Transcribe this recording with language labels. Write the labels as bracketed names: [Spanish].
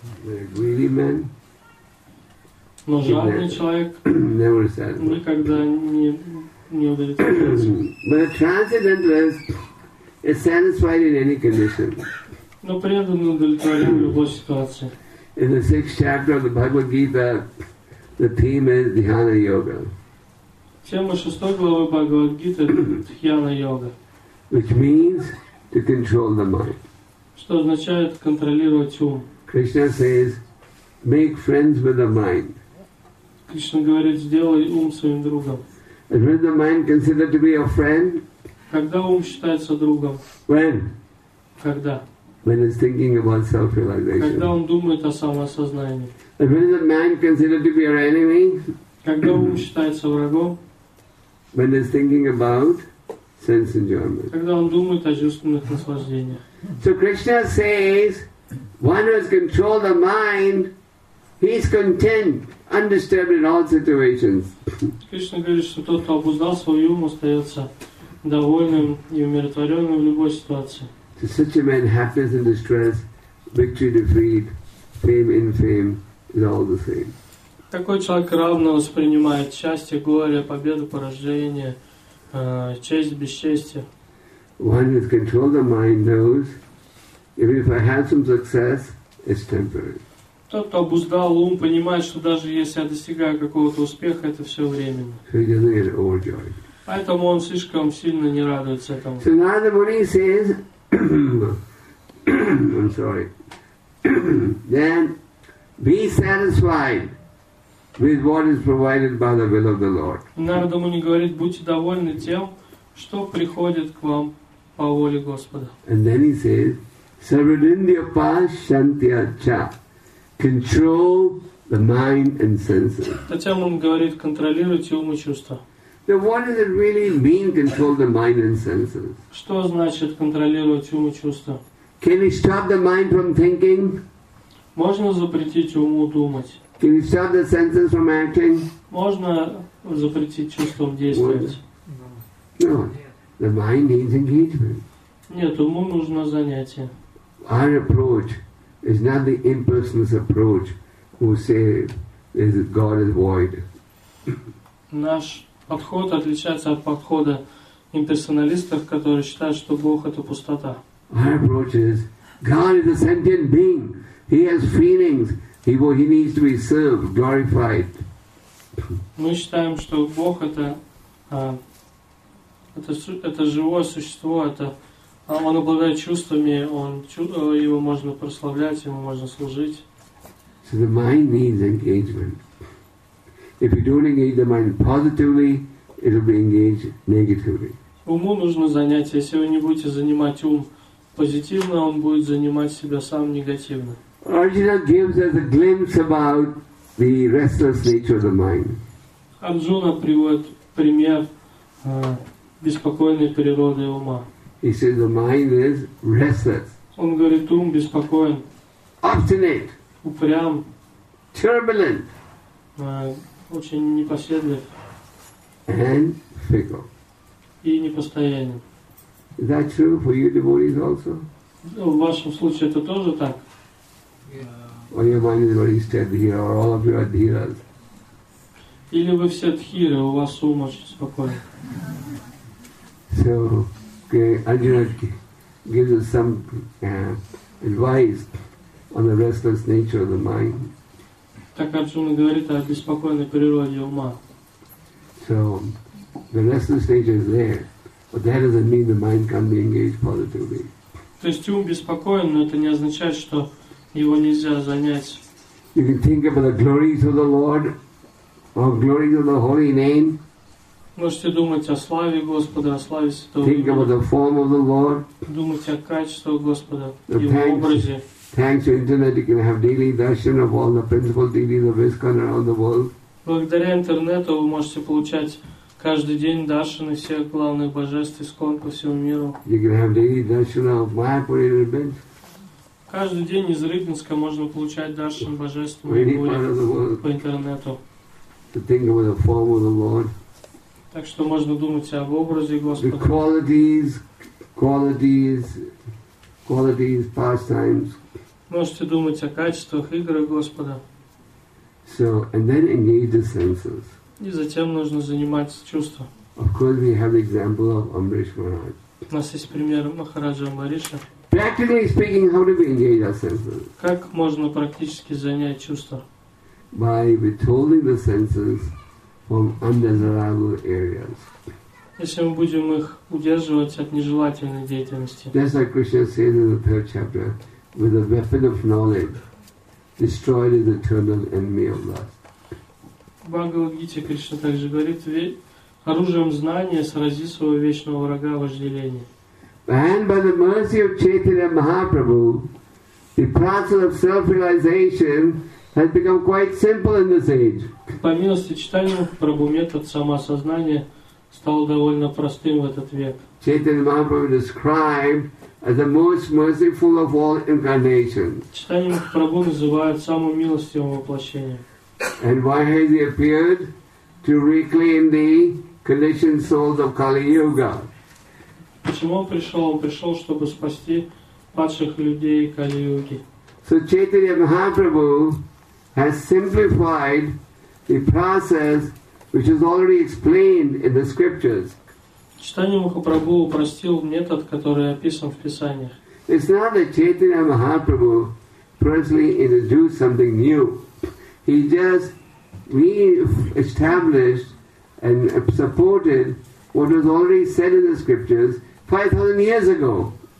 [English] Greedy man. [Russian] Но жадный человек [English] never satisfied. [Russian] Никогда не удовлетворится. [English] Is satisfied in any condition. [Russian] Но преданный удовлетворен в любой ситуации. [English] In the sixth chapter of the Bhagavad Gita, the theme is Dhyana Yoga. [Russian] Тема шестой главы Бхагавад Гиты Дхьяна Йога. [English] Which means to control the mind. [Russian] Что означает контролировать ум. [English] Krishna says, make friends with the mind. [Russian] Кришна говорит, сделай ум своим другом. [English] And when the mind considered to be a friend. [Russian] Когда ум считается другом? [English] When? [Russian] Когда? [English] When it's thinking about self-realization. [Russian] Когда он думает о самосознании? [English] And when the mind considered to be our enemy? [Russian] Когда ум считается врагом? [English] When it's thinking about sense enjoyment. [Russian] Когда он думает о чувственных наслаждениях? [English] So Krishna says, one who has controlled the mind, he is content, undisturbed in all situations. [Russian] Кришна говорит, что тот, кто обуздал свой ум, остается довольным и умиротворенным в любой ситуации. [English] To such a man, happiness and distress, victory, defeat, fame, infame, is all the same. [Russian] Такой человек равно воспринимает счастье, горе, победу, поражение, честь, бесчестие. [English] One who has controlled the mind knows, even if I have some success, it's temporary. [Russian] Тот, кто обуздал ум, понимает, что даже если я достигаю какого-то успеха, это все временно. [English] So he doesn't get overjoyed. [Russian] Поэтому он слишком сильно не радуется этому. [English] So Narada Muni says, I'm sorry, then be satisfied with what is provided by the will of the Lord. [Russian] Narada Muni говорит, будьте довольны тем, что приходит к вам по воле Господа. [English] And then he says, Sarvindriya Pashantya Cha, control the mind and senses. [Russian] Хотя он говорит, контролируйте ум и чувства. [English] Then what does it really mean, control the mind and senses? [Russian] Что значит контролировать ум и чувства? [English] Can we stop the mind from thinking? [Russian] Можно запретить уму думать? [English] Can we stop the senses from acting? [Russian] Можно запретить чувствам действовать? [English] No, the mind needs engagement. [Russian] Нет, уму нужно занятие. [English] Our approach is not the impersonalist approach, who say is God is void. [Russian] Наш подход отличается от подхода имперсоналистов, которые считают, что Бог это пустота. [English] Our approach is God is a sentient being. He has feelings. He needs to be served, glorified. [Russian] Мы считаем, что Бог это живое существо, это он обладает чувствами, его можно прославлять, ему можно служить. [English] So the mind needs engagement. If you don't engage the mind positively, it will be engaged negatively. [Russian] Уму нужно занятие. Если вы не будете занимать ум позитивно, он будет занимать себя сам негативно. [English] Arjuna gives us a glimpse about the restless nature of the mind. [Russian] Арджуна приводит пример беспокойной природы ума. [English] He says the mind is restless. [Russian] Он говорит, ум беспокоен. [English] Obstinate. [Russian] Упрям. [English] Turbulent. [Russian] Очень непоседлив. [English] And fickle. [Russian] И непостоянен. [English] Is that true for you devotees also? [Russian] В вашем случае это тоже так? [English] Yeah. Or your mind is already steady here, or all of you are dhiras? [Russian] Или вы все дхиры, у вас ум очень спокоен. [English] So, okay, Arjuna gives us some advice on the restless nature of the mind. [Russian] Так Арджуна говорит о беспокойной природе ума. [English] So, the restless nature is there. But that doesn't mean the mind can be engaged positively. [Russian] То есть ум беспокоен, но это не означает, что его нельзя занять. [English] You can think about the glories of the Lord or glories of the Holy Name. [Russian] Можете думать о славе Господа, о славе Святого Имени. [English] Think about the form of the Lord. [Russian] Думать о качестве Господа, Его образе. [English] Thanks to internet, you can have daily darshan of all the principal deities of ISKCON around the world. [Russian] Благодаря интернету вы можете получать каждый день даршины всех главных божеств ИСККОН по всему миру. [English] You can have daily darshan of Mayapur in advance. [Russian] Каждый день из Рыбинска можно получать даршин божеств по интернету. [English] To think about the form of the Lord. [Russian] Так что можно думать об образе Господа. [English] The qualities, pastimes. [Russian] Можете думать о качествах игры Господа. [English] So, and then engage the senses. [Russian] И затем нужно заниматься чувством. [English] Of course, we have the example of Amrish Maharaj. [Russian] У нас есть пример Махараджа Амриша. [English] Practically speaking, how do we engage our senses? [Russian] Как можно практически занять чувства? [English] By withholding the senses from undesirable areas. [Russian] Если мы будем их удерживать от нежелательной деятельности. [English] That's like Krishna says in the third chapter. With a weapon of knowledge, destroy the eternal enemy of lust. [Russian] Бхагавад-гите Кришна также говорит, оружием знания срази своего вечного врага вожделения. [English] And by the mercy of Chaitanya Mahaprabhu, the process of self-realization has become quite simple in this age. [Russian] По милости Чайтанья Махапрабху метод самоосознания стал довольно простым в этот век. [English] Chaitanya Mahaprabhu described as the most merciful of all incarnations. [Russian] Чайтанья Махапрабху называют самым милостивым воплощением. [English] And why has he appeared? To reclaim the conditioned souls of Kali Yuga. [Russian] Почему он пришел? Он пришел, чтобы спасти падших людей Кали Юги. [English] So Chaitanya Mahaprabhu has simplified the process which is already explained in the scriptures. [Russian] Чайтанья Махапрабху упростил метод, который описан в Писаниях. [English] It's not that Chaitanya Mahaprabhu personally introduced something new. He just re-established and supported what was already said in the scriptures 5,000 years ago.